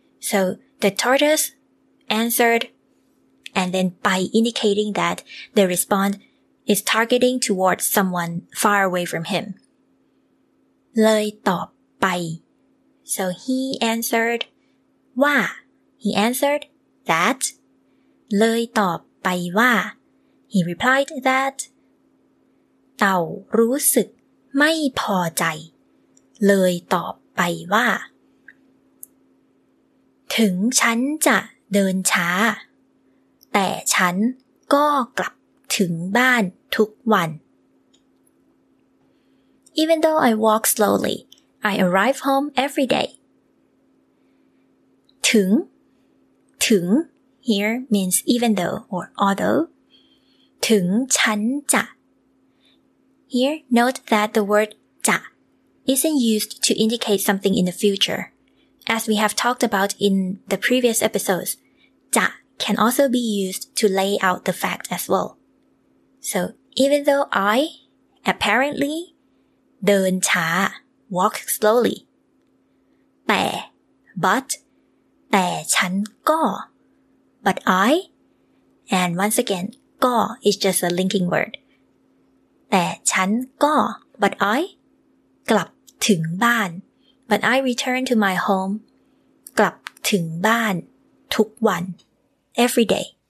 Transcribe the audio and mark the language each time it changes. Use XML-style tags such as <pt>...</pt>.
<en>So the tortoise answered and then ไป indicating that the respondis targeting towards someone far away from him.</en> <th>เลยตอบไป</th> <en>So he answered, ว่า He answered, that.</en> <th>เลยตอบไปว่า</th> <en>He replied that.</en> <th>เต่ารู้สึกไม่พอใจเลยตอบไปว่าถึงฉันจะเดินช้าแต่ฉันก็กลับถึงบ้านทุกวัน</th> <en>Even though I walk slowly, I arrive home every day. ถึง here means even though or although. ถึงฉันจะ here note that the word จะ isn't used to indicate something in the future. As we have talked about in the previous episodes, จะ can also be used to lay out the fact as well. So even though I apparently</en> <th>เดินช้า</th> <en>walk slowly. แต่ฉันก็ I, and once again, ก็ is just a linking word. แต่ฉันก็ but I, กลับถึงบ้าน but I return to my home,</en> <th>กลับถึงบ้านทุกวัน</th> <en>every day.</en>